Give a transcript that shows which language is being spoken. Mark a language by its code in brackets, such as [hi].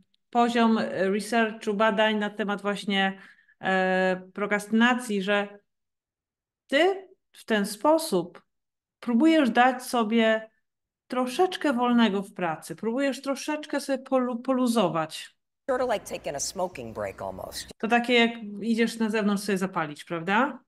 [pl] poziom researchu, badań na temat właśnie prokrastynacji, że ty w ten sposób próbujesz dać sobie troszeczkę wolnego w pracy, próbujesz troszeczkę sobie poluzować. [en] Sort of like taking a smoking break almost. [pl] To takie jak idziesz na zewnątrz sobie zapalić, prawda?